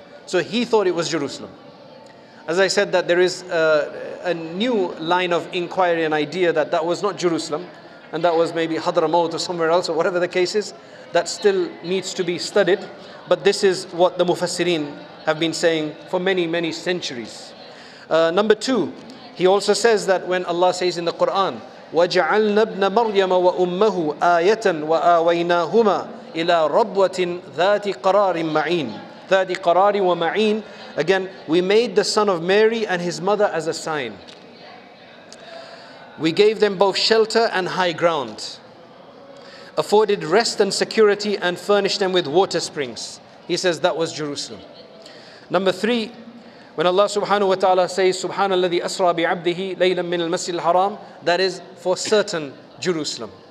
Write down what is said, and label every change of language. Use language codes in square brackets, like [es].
[en] So he thought it was Jerusalem. As I said, that there is a new line of inquiry and idea that that was not Jerusalem, and that was maybe Hadramaut or somewhere else or whatever the case is, that still needs to be studied. But this is what the Mufassirin have been saying for many, many centuries. Number two, he also says that when Allah says in the Quran, [ar] وَجَعَلْنَا ابْنَ مَرْيَمَ وَأُمَّهُ آيَةً وَآوَيْنَاهُمَا إِلَىٰ رَبْوَةٍ ذَاتِ قَرَارٍ مَعِينٍ ذَاتِ قَرَارٍ وَمَعِينٍ. [en] Again, we made the son of Mary and his mother as a sign. We gave them both shelter and high ground, afforded rest and security, and furnished them with water springs. He says that was Jerusalem. Number three, when Allah subhanahu wa ta'ala says, [ar] Subhanalladhi asra bi'abdihi laylan min al-masjid al-haram, [en] that is for certain Jerusalem.